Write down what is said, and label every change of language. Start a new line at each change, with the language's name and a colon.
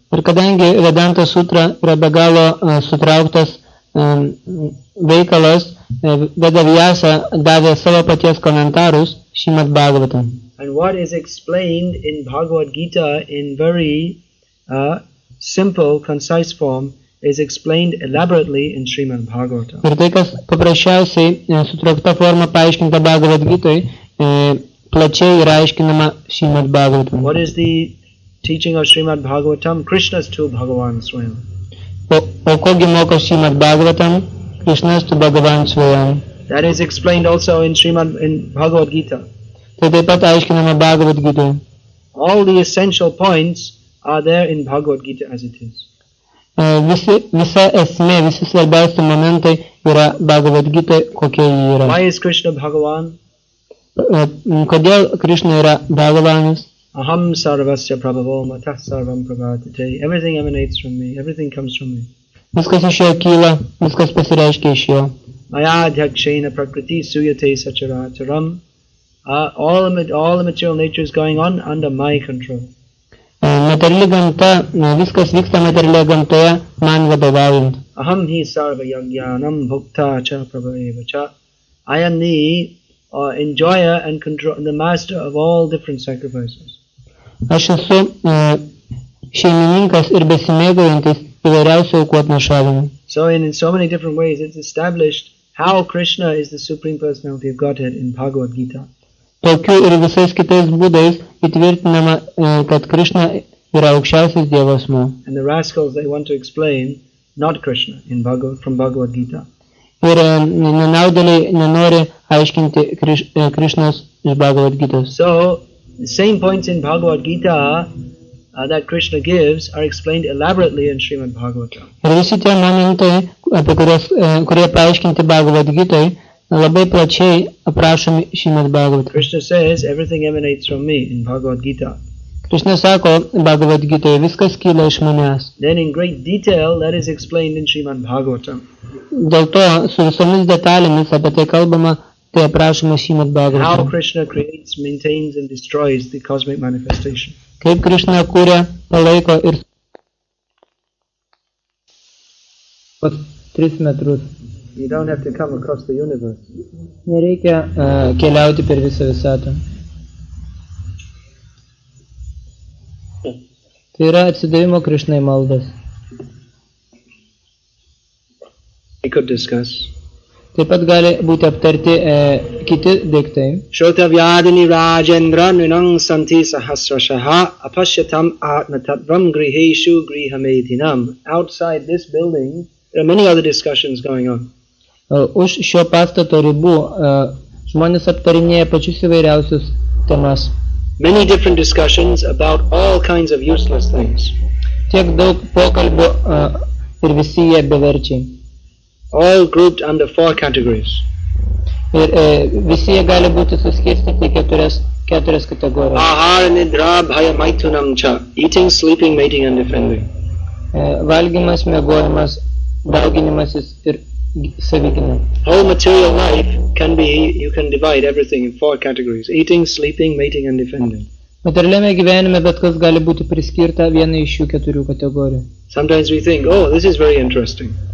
Lithuanian: Ir kadangi Vedanta Sutra yra be galo sutrauktas veikalas, Veda Vyasa davė savo paties komentarus Srimad Bhagavatam.
English: And what is explained in Bhagavad Gita in very simple, concise form is explained elaborately in Srimad Bhagavatam.
Lithuanian: Ir tai, kas paprasčiausiai sutraukta forma paaiškinta Bhagavad Gitoj, plačiai yra aiškinama Srimad Bhagavatam.
English: What is the teaching of Srimad Bhagavatam?
Sanskrit: Krishna's two Bhagavan Swayam.
Lithuanian: O kogi moko Srimad Bhagavatam?
Sanskrit: Krishna's two Bhagavan Swayam.
English: That is explained also in Srimad in Bhagavad Gita.
Lithuanian: Tai taip pat aiškinama Bhagavad Gita.
English: All the essential points are there in Bhagavad Gita as it is.
Lithuanian: Visa esmė, visi svarbiausi momentai yra Bhagavad Gita, kokia ji yra.
English: Why is Krishna Bhagavan?
Lithuanian: Kodėl Krishna yra Bhagavanas?
Sanskrit: Aham sarvasya prabhavo matah sarvam prabhavate.
English: Everything emanates from me. Everything comes from me.
Lithuanian: Viskas išėjo kyla, viskas pasireiškia iš jo.
Sanskrit: Maya adhyakshena prakriti suyate sacharacharam.
English: All the material nature is going on under my control.
Lithuanian: Materiali gamta, viskas vyksta materialioje gamtoje, man vadovaujant.
Sanskrit: Aham hi sarva yagyanam bhukta cha prabhaeva cha.
English: I am the enjoyer and control, the master of all different sacrifices.
Lithuanian: Aš esu šeimininkas ir besimėgaujantis įvairiausių aukų atnašavimu.
English: So in so many different ways it's established how Krishna is the Supreme Personality of Godhead in Bhagavad Gita.
Lithuanian: Tokiu ir visais kitais būdais įtvirtinama, kad Krishna yra aukščiausias Dievo asmuo.
English: And the rascals, they want to explain not Krishna in Bhagavad, from Bhagavad Gita.
Lithuanian: Ir nenaudėliai nenori aiškinti Krishnas iš Bhagavad Gitas.
English: So, the same points in Bhagavad Gita that Krishna gives are explained elaborately in Srimad Bhagavatam.
Lithuanian: Ir visi tie momentai, apie kurias, kurie paaiškinti Bhagavad Gitai, labai plačiai aprašomi Srimad Bhagavatam.
English: Krishna says, everything emanates from me in Bhagavad Gita.
Lithuanian: Krishna sako, Bhagavad Gitai, viskas kyla iš manęs.
English: Then in great detail, that is explained in Srimad Bhagavatam.
Lithuanian: Dėl to, su visomis detalėmis apie tai kalbama, tai aprašoma Srimad Bhagavatam.
English: How Krishna creates, maintains and destroys the cosmic manifestation.
Lithuanian: Kaip Krishna kūrė, palaiko ir... ...pat 3 metrus.
English: You don't have to come across the universe.
Lithuanian: Nereikia keliauti per visą visatą. Tai yra atsidavimo Krishnai maldas.
English: We could discuss.
Lithuanian: Taip pat gali būti aptarti kiti daiktai.
Sanskrit: Shrutavyadini Rajendra Nunang Santi Sahasrashaha Apashyatam Atmatatvam Griheshu Grihamedinam.
English: Outside this building, there are many other discussions going on.
Lithuanian: Už šio pastato ribų žmonės aptarinėja pačius įvairiausius temas.
English: Many different discussions about all kinds of useless things.
Lithuanian: Tiek daug pokalbių ir visi jie beverčiai.
English: All grouped under 4 categories.
Lithuanian: Ir visi jie gali būti suskirstyti keturias kategorijas.
Sanskrit: Ahara, nidra, bhaya, maitunam cha.
English: Eating, sleeping, mating and defending.
Lithuanian: Valgymas, miegojimas, dauginimasis ir savigyna.
English: Whole material life can be, you can divide everything in 4 categories. Eating, sleeping, mating and defending.
Lithuanian: Materialiame gyvenime bet kas gali būti priskirta vienai iš šių keturių kategorijų.
English: Sometimes we think, oh, this is very interesting.